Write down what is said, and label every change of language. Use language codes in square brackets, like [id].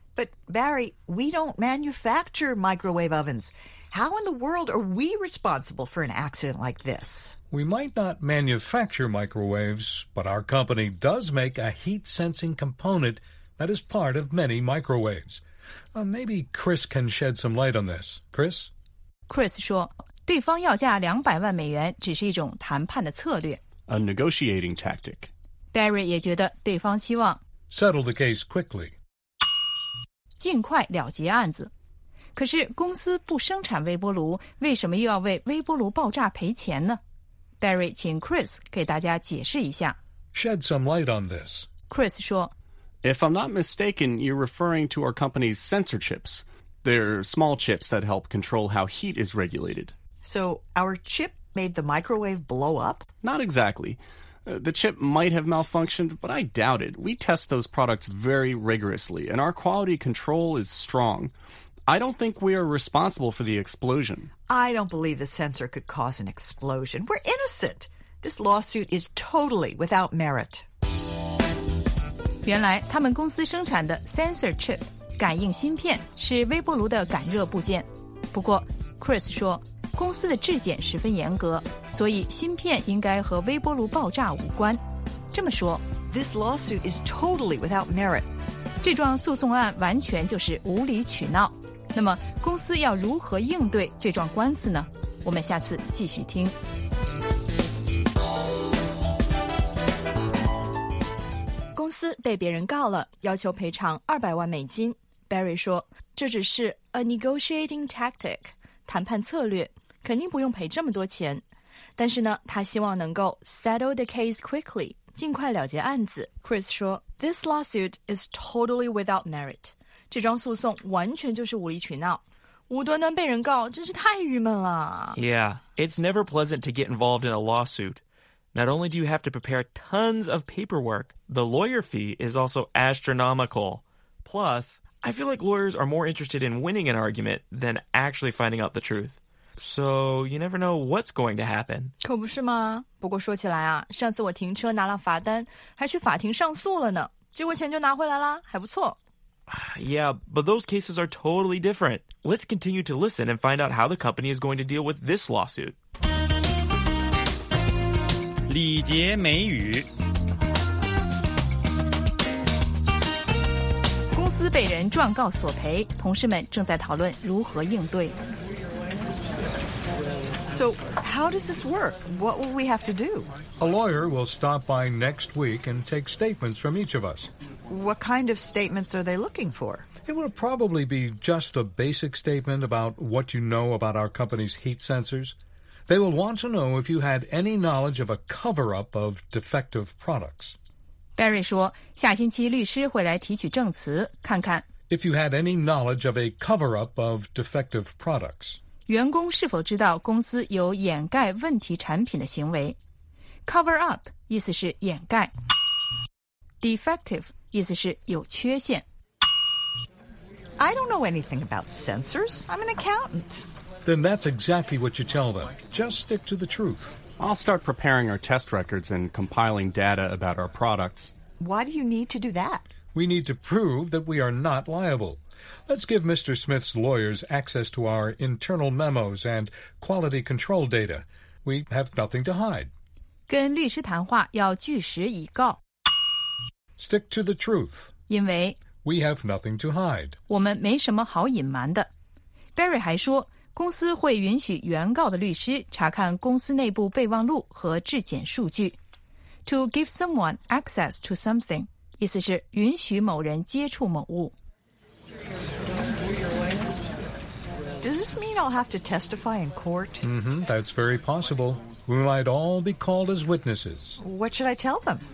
[en] But Barry, we don't manufacture microwave ovens. How in the world are we responsible for an accident like this? We might not manufacture microwaves, but our company does make a heat-sensing component that is part of many microwaves. Maybe Chris can shed some light on this. Chris? [zh] Chris 说对方要价$2,000,000只是一种谈判的策略。 [en] A negotiating tactic. [zh] Barry 也觉得对方希望 [en] settle the case quickly. [zh] 尽快了结案子。可是公司不生产微波炉，为什么又要为微波炉爆炸赔钱呢？ Barry 请 Chris 给大家解释一下。 [en] Shed some light on this. [zh] Chris 说， [en] If I'm not mistaken, you're referring to our company's sensor chips. They're small chips that help control how heat is regulated. So our chip made the microwave blow up? Not exactly. The chip might have malfunctioned, but I doubt it. We test those products very rigorously, and our quality control is strong. I don't think we are responsible for the explosion. I don't believe the sensor could cause an explosion. We're innocent. This lawsuit is totally without merit. [zh] 原来他们公司生产的 sensor chip 感应芯片是微波炉的感热部件。不过 Chris 说公司的质检十分严格，所以芯片应该和微波炉爆炸无关。这么说 [en] This lawsuit is totally without merit. [zh] 这桩诉讼案完全就是无理取闹。那么公司要如何应对这桩官司呢？我们下次继续听。公司被别人告了，要求赔偿$2,000,000。 Barry 说，这只是 a negotiating tactic，谈判策略，肯定不用赔这么多钱。但是呢，他希望能够 settle the case quickly，尽快了结案子。 Chris 说 [en] ，This lawsuit is totally without merit。 [zh] 这桩诉讼完全就是无理取闹，无端端被人告，真是太郁闷了。 [en] Yeah, it's never pleasant to get involved in a lawsuit. Not only do you have to prepare tons of paperwork, the lawyer fee is also astronomical. Plus, I feel like lawyers are more interested in winning an argument than actually finding out the truth. So you never know what's going to happen. [zh] 可不是吗？不过说起来啊，上次我停车拿了罚单，还去法庭上诉了呢，结果钱就拿回来了，还不错。 [en] Yeah, but those cases are totally different. Let's continue to listen and find out how the company is going to deal with this lawsuit. [zh] 礼节美语。公司被人状告索赔，同事们正在讨论如何应对。 [en] So, how does this work? What will we have to do? A lawyer will stop by next week and take statements from each of us. What kind of statements are they looking for? It will probably be just a basic statement about what you know about our company's heat sensors. They will want to know if you had any knowledge of a cover-up of defective products. [zh] Barry 说，下星期律师会来提取证词，看看。 [en] If you had any knowledge of a cover-up of defective products. [zh] 员工是否知道公司有掩盖问题产品的行为 ？Cover up 意思是掩盖 ，defective。意思是有缺陷。 [en] I don't know anything about sensors. I'm an accountant. Then that's exactly what you tell them. Just stick to the truth. I'll start preparing our test records and compiling data about our products. Why do you need to do that? We need to prove that we are not liable. Let's give Mr. Smith's lawyers access to our internal memos and quality control data. We have nothing to hide. [zh] 跟律师谈话要据实以告。 [en] Stick to the truth. [zh] 因为 [en] we have nothing to hide. [zh] 我们没什么好隐瞒的。 Barry 还说，公司会允许原告的律师查看公司内部备忘录和质检数据。 To give someone access to something 意思是允许某人接触某物。 [en] Does this mean I'll have to testify in court? Mm-hmm, that's very possible. We might all be called as witnesses. What should I tell them?